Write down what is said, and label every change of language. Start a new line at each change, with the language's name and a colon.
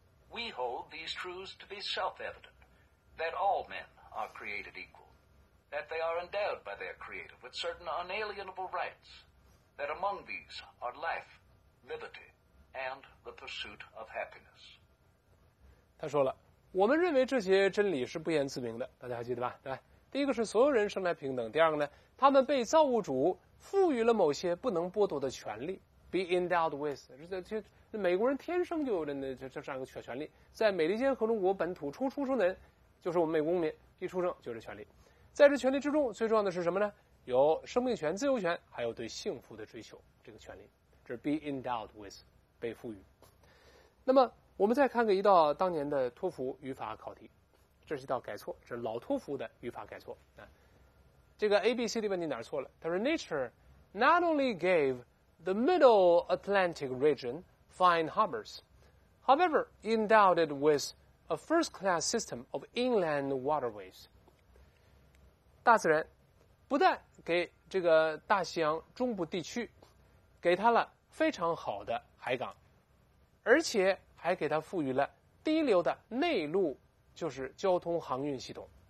English: We hold these truths to be self-evident, that all men are created equal, that they are endowed by their Creator with certain unalienable rights, that among these are life, liberty, and the pursuit of happiness.
Chinese: 他说了，我们认为这些真理是不言自明的，大家还记得吧？对，第一个是所有人生来平等，第二个呢，他们被造物主赋予了某些不能剥夺的权利。
English: Be endowed with，
Chinese: 这美国人天生就有的这样一个权利，在美利坚合众国本土初出生的人，就是我们美国公民，一出生就是权利。在这权利之中，最重要的是什么呢？有生命权、自由权，还有对幸福的追求，这个权利，这是
English: be endowed with，
Chinese: 被赋予。那么我们再看个一道当年的托福语法考题，这是一道改错，这是老托福的语法改错啊。这个 A B C D 问题哪儿错了？他说
English: Nature not only gave the Middle Atlantic region fine harbors, however, endowed it with a first-class system of inland waterways.
Chinese: 大自然不但给这个大西洋中部地区给它了非常好的海港，而且还给它赋予了第一流的内陆，就是交通航运系统。